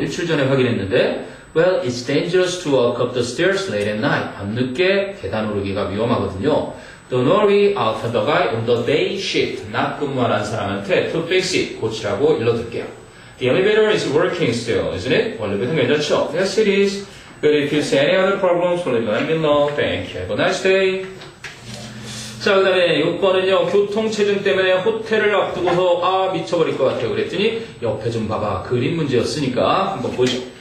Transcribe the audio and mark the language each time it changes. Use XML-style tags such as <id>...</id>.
<ko>일주일 전에 확인했는데,</ko> <en>Well, it's dangerous to walk up the stairs late at night.</en> <ko>밤늦게 계단 오르기가 위험하거든요.</ko> <en>Don't worry, I'll tell the guy on the day shift.</en> <ko>낮 근무하는 사람한테</ko> <en>to fix it,</en> <ko>고치라고 일러둘게요.</ko> <en>The elevator is working still, isn't it?</en> <ko>원래부터 괜찮죠?</ko> <en>Yes, it is. But if you see any other problems, please let me know. Thank you. Have a nice day.</en> <ko>자, 그 다음에 6번은요. 교통체증 때문에 호텔을 앞두고서 아, 미쳐버릴 것 같아요. 그랬더니 옆에 좀 봐봐. 그림 문제였으니까 한번 보죠.</ko>